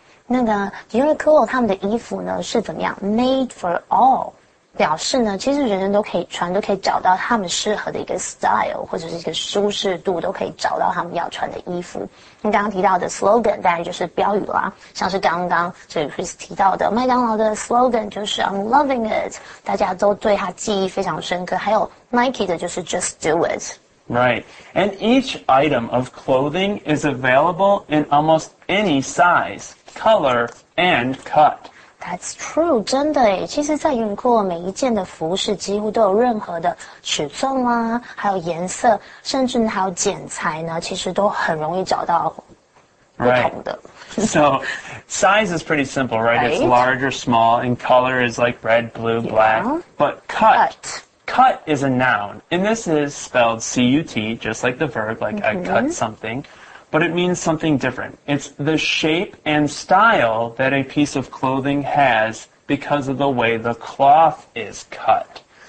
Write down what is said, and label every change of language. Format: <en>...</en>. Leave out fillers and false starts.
<zh>那个 Uniqlo 他们的衣服呢是怎么样</zh> <en>made for all</en> <zh>表示呢其实人人都可以穿都可以找到他们适合的一个 style 或者是一个舒适度都可以找到他们要穿的衣服那刚刚提到的 slogan 当然就是标语啦像是刚刚这里 Chris 提到的麦当劳的 slogan 就是</zh> <en>I'm loving it</en> <zh>大家都对他记忆非常深刻还有 Nike 的就是</zh> <en>just do it Right, and each item of clothing is available in almost any size, color, and cut. That's true,</en> <zh>真的耶。其实在 Uniqlo 每一件的服饰几乎都有任何的尺寸啊，还有颜色，甚至还有剪裁呢，其实都很容易找到不同的。</zh> <en>So, size is pretty simple, right? It's large or small, and color is like red, blue, black. But cut... Cut is a noun, and this is spelled C-U-T, just like the verb, like I cut something, but it means something different. It's the shape and style that a piece of clothing has because of the way the cloth is cut.</en>